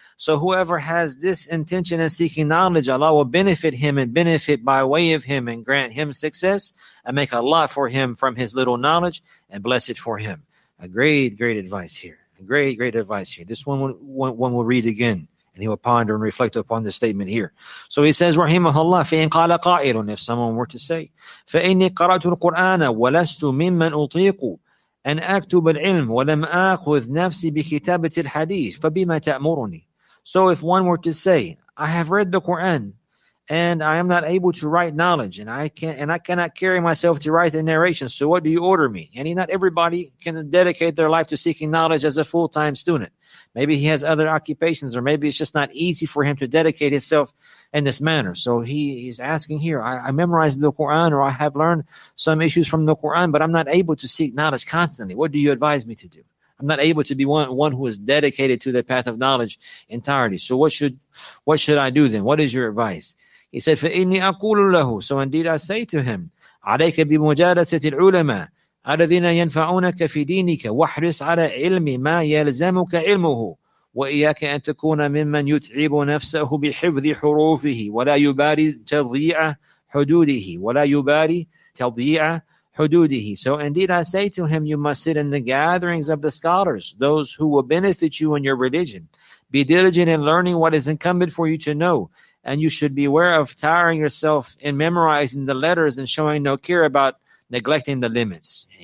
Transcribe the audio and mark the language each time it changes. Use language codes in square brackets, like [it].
[en] So whoever has this intention in seeking knowledge, Allah will benefit him and benefit by way of him and grant him success and make a lot for him from his little knowledge and bless it for him. A great, great advice here. A great, great advice here. This one we'll read again, and he will ponder and reflect upon the statement here. So he says, rahimahullah, [ar] فَإِنْ قَالَ قَائِلٌ, [en] if someone were to say, [ar] فَإِنِّي قَرَأْتُ الْقُرْآنَ وَلَسْتُ مِمَّنْ أُطِيقُ أَنْ أَكْتُبَ الْعِلْمُ وَلَمْ أَخُذْ نَفْسِي بِكِتَابَةِ الْحَدِيثِ فَبِمَا تَأْمُرُنِي. [en] So if one were to say, I have read the Quran and I am not able to write knowledge, and I cannot carry myself to write the narration, so what do you order me? And not everybody can dedicate their life to seeking knowledge as a full-time student. Maybe he has other occupations, or maybe it's just not easy for him to dedicate himself in this manner. So he's asking here, I memorized the Quran, or I have learned some issues from the Quran, but I'm not able to seek knowledge constantly. What do you advise me to do? I'm not able to be one who is dedicated to the path of knowledge entirely. So what should I do then? What is your advice? He said, [ar] فَإِنِّي أَقُولُ لَهُ. [en] So indeed I say to him, [ar] عَلَيْكَ بِمُجَالَسَةِ الْعُلَمَاءِ الَّذِينَ يَنْفَعُونَكَ فِي دِينِكَ وَاحْرِصْ عَلَى عِلْمِ مَا يَلْزَمُكَ عِلْمُهُ وَإِيَّاكَ أَن تَكُونَ مِمَّنْ يُتْعِبُ نَفْسَهُ بِحِفْظِ حُرُوفِهِ وَلَا يُبَالِي تَضْيِيعَ حُدُودِهِ وَلَا يُبَالِي تَضْيِيعَ حُدُودِهِ. [en] So indeed I say to him, you must sit in the gatherings of the scholars, those who will benefit you in your religion. Be diligent in learning what is incumbent for you to know. And you should beware of tiring yourself in memorizing the letters and showing no care about neglecting the limits.